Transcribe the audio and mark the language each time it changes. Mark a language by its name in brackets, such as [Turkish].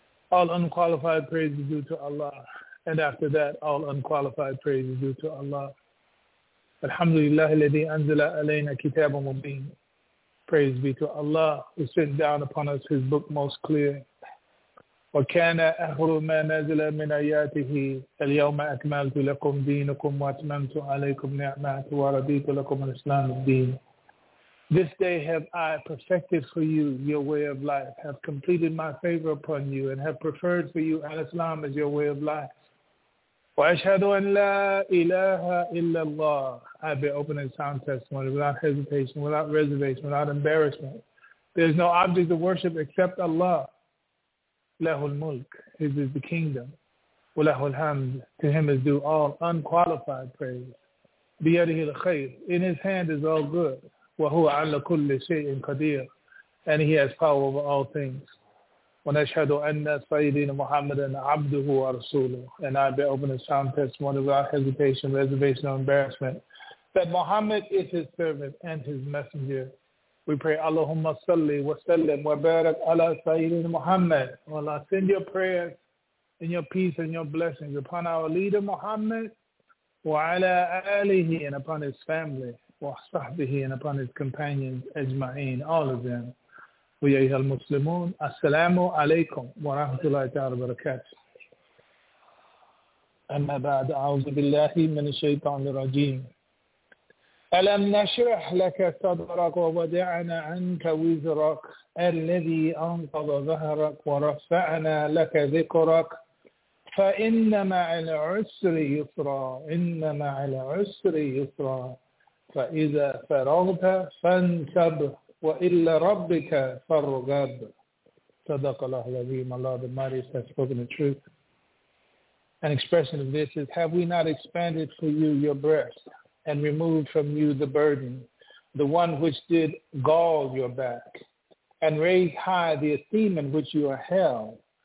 [English] All unqualified praise is due to Allah. And after that, all unqualified praise is due to Allah. [Arabic] Alhamdulillah, الذي أنزل علينا كتاب مبين. [English] Praise be to Allah, who sent down upon us His book most clear. [Arabic] وكان آخر ما نزل من آياته اليوم أكملت لكم دينكم وأتممت عليكم نعمتي ورضيت لكم الإسلام الدين. [English] This day have I perfected for you your way of life, have completed my favor upon you, and have preferred for you al-Islam as your way of life. [Arabic] وَأَشْهَدُ أَنْ لَا إِلَٰهَ إِلَّا اللَّهِ. [English] I bear open and sound testimony without hesitation, without reservation, without embarrassment. There is no object of worship except Allah. [Arabic] لَهُ الْمُلْكِ. [English] His is the kingdom. [Arabic] وَلَهُ الْحَمْدِ. [English] To Him is due all unqualified praise. [Arabic] بِيَدِهِ الْخَيْرِ. [English] In His hand is all good. [Arabic] وَهُوَ عَلَى كُلِّ شَيْءٍ قَدِيرٍ. [English] And He has power over all things. [Arabic] ونشهد أن سيدنا محمد عبده ورسوله. [English] And I bear open and sound testimony without hesitation, reservation, or embarrassment that Muhammad is his servant and his messenger. We pray, [Arabic] Allahumma salli wa sallim wa barak ala sayyidina Muhammad. [English] O Allah, send your prayers and your peace and your blessings upon our leader Muhammad [Arabic] wa ala alihi [English] and upon his family [Arabic] wa sahbihi [English] and upon his companions [Arabic] ajma'in, [English] all of them. [Arabic] ويا أيها المسلمون السلام عليكم ورحمة الله تعالى وبركاته. أما بعد أعوذ بالله من الشيطان الرجيم. ألم نشرح لك صدرك ووضعنا عنك وزرك الذي أنقض ظهرك ورفعنا لك ذكرك فإنما على عسر يسرا إنما على عسر يسرا فإذا فرغت فانتب وَإِلَّا رَبِّكَ فَرُّغَدْ. صَدَقَ اللَّهُ الْعَظِيمُ. [English] Allah the Mightiest has spoken the truth. An expression of this is, have we not expanded for you your breast and removed from you the burden, the one which did gall your back, and raised high the esteem in which you are held?